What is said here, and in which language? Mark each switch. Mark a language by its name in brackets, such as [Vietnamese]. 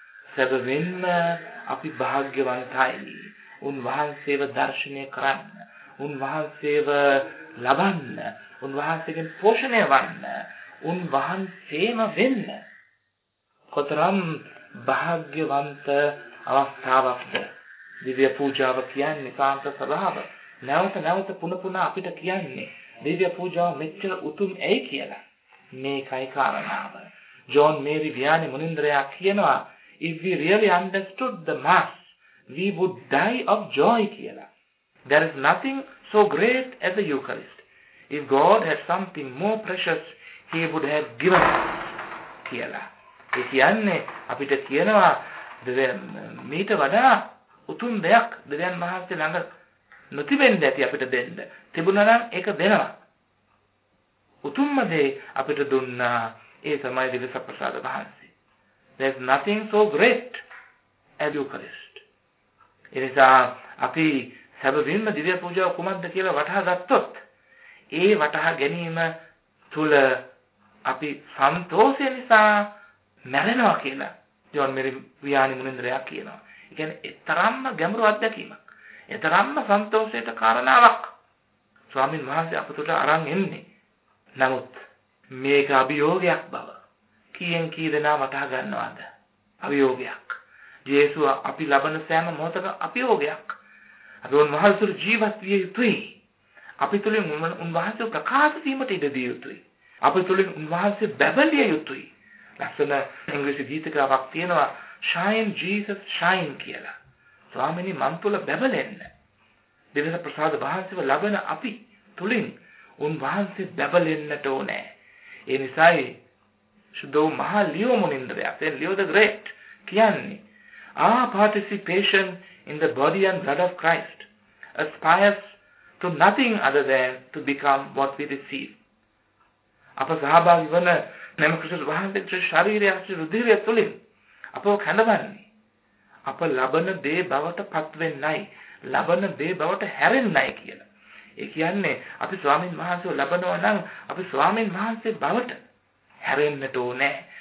[Sinhala] සැබවින්ම අපි භාග්‍යවන්තයි උන් වහන්සේව දර්ශනය කරන්න, උන් වහන්සේව ලබන්න, උන්වහන්සේගෙන් පෝෂණය වන්න, උන්වහන්සේම වෙන්න. කොතරම් භාග්‍යවන්ත අවස්ථාවක්ද දිව්‍ය පූජාව කියන්නේ. කාන්ත සභාව නැවත නැවත පුන පුන අපිට කියන්නේ දිව්‍ය පූජාව මෙච්චර උතුම් ඇයි කියලා. මේකයි කාරණාව. ජෝන් මේරි වියානි මුනින්ද්‍රයා කියනවා [English] if we really understood the mass we would die of joy [Sinhala] කියලා. [English] There is nothing so great as the Eucharist. If God had something more precious, He would have given [Sinhala] කියලා. ඒ කියන්නේ අපිට කියනවා මීට වඩා උතුම් දෙයක් දෙවියන් වහන්සේ ළඟ නොතිබෙන්න ඇති අපිට දෙන්න. තිබුණා නම් ඒක දෙනවා. උතුම්ම දේ අපිට දුන්නා ඒ තමයි දිවස ප්‍රසාද වහන්සේ. [English] There's nothing so great as Eucharist. [Sinhala] ඒ නිසා අපි සැබවින්ම දිව්‍ය පූජාව කුමක්ද කියලා වටහා ගත්තොත් ඒ වටහා ගැනීම තුළ අපි සන්තෝෂය නිසා මැරෙනවා කියලා ජෝන් මෙරි වියානි මුනින්ද්‍රයා කියනවා. ඒ කියන්නේ එතරම්ම ගැඹුරු අත්දැකීමක්, එතරම්ම සන්තෝෂයට කාරණාවක් ස්වාමින් වහන්සේ අපතුට අරන් එන්නේ. නමුත් මේක අභියෝගයක් බව කීයෙන් කී දෙනා වටහා ගන්නවද? අභියෝගයක්. ජේසුව අපි ලබන සෑම මොහොතක අභියෝගයක්. අපි උන්වහන්සේ ජීවත් විය යුතුයි. අපි තුළින් උන්වහන්සේ ප්‍රකාශ වීමට ඉඩ දිය යුතුයි. අපි තුළින් උන්වහන්සේ බැබලිය යුතුයි. ලස්සන ඉංග්‍රීසි ගීතකාවක් තියෙනවා [English] shine Jesus shine [Sinhala] කියලා. ස්වාමිනී මන් තුළ බැබලෙන්න. දිවස ප්‍රසාද වහන්සේව ලබන අපි තුළින් උන්වහන්සේ බැබලෙන්නට ඕනේ. ඒ නිසායි සුදෝ මහා ලියෝ මුනින්ද්‍රයා තේ ලියෝ ද ග්‍රේට් කියන්නේ ආ [English] participation in the body and blood of Christ aspires to nothing other than to become what we receive. [Sinhala] අප සහභාගී වන නම ක්‍රිස්තුස් වහන්සේ ශරීරය ඇසුරු රුධිරය තුළින් අපව කැඳවන්නේ අප ලබන දේ බවට පත්වෙන්නයි, ලබන දේ බවට හැරෙන්නයි කියලා. ඒ කියන්නේ අපි ස්වාමින් වහන්සේව ලබනවා නම් අපි ස්වාමින් වහන්සේ බවට හැරෙන්නට ඕනේ.